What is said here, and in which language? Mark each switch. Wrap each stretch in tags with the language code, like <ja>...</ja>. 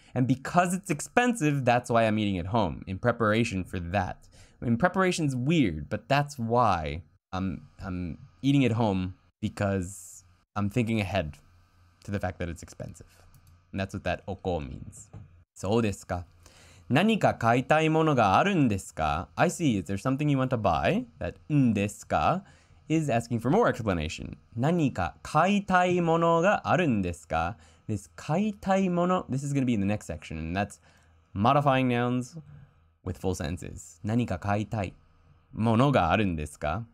<en>And because it's expensive, that's why I'm eating at home, in preparation for that. I mean, preparation's weird, but that's why I'm eating at home, because I'm thinking ahead to the fact that it's expensive. And that's what that oko means.</en> <ja>そうですか. 何か買いたいものがあるんですか?</ja> <en>I see, is there something you want to buy? That んですか is asking for more explanation.</en> <ja>何か買いたいものがあるんですか?</ja> <en>This 買いたいもの, this is going to be in the next section, and that's modifying nouns with full sentences.</en> <ja>何か買いたいものがあるんですか?</ja>